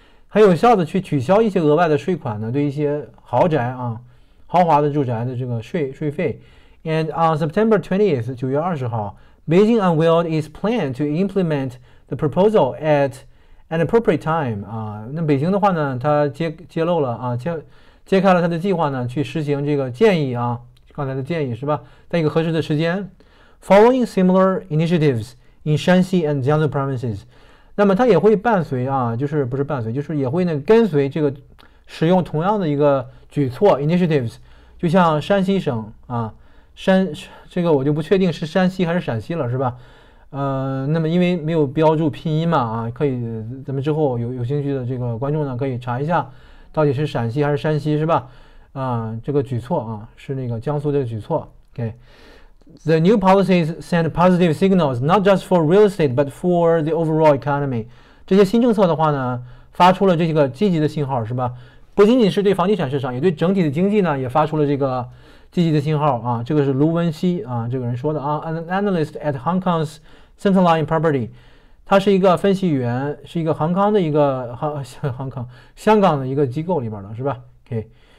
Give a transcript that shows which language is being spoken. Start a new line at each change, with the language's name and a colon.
Chinese: 很有效的去取消一些额外的税款呢，对一些豪宅啊，豪华的住宅的这个税费。
English: And on September 20th,
Chinese: 9月20号
English: Beijing unveiled its plan to implement the proposal at an appropriate time.
Chinese: 啊，那北京的话呢，它揭开了它的计划呢，去实行这个建议啊，刚才的建议是吧，在一个合适的时间。
English: Following similar initiatives in Shaanxi and Jiangsu provinces.
Chinese: 那么它也会伴随啊，就是不是伴随，就是也会呢跟随这个使用同样的一个举措 initiatives， 就像山西省啊，这个我就不确定是山西还是陕西了，是吧？那么因为没有标注拼音嘛啊，可以咱们之后有兴趣的这个观众呢可以查一下，到底是陕西还是山西，是吧？这个举措啊是那个江苏的举措
English: Okay. The new policies send positive signals, not just for real estate, but for the overall economy.
Chinese: 这些新政策的话呢，发出了这个积极的信号，是吧？不仅仅是对房地产市场，也对整体的经济呢，也发出了这个积极的信号啊。这个是卢文熙啊，这个人说的啊 ，
English: an analyst at Hong Kong's Centerline Property。
Chinese: 他是一个分析员，是一个Hong Kong的一个香港的一个机构里边的，是吧 ？OK。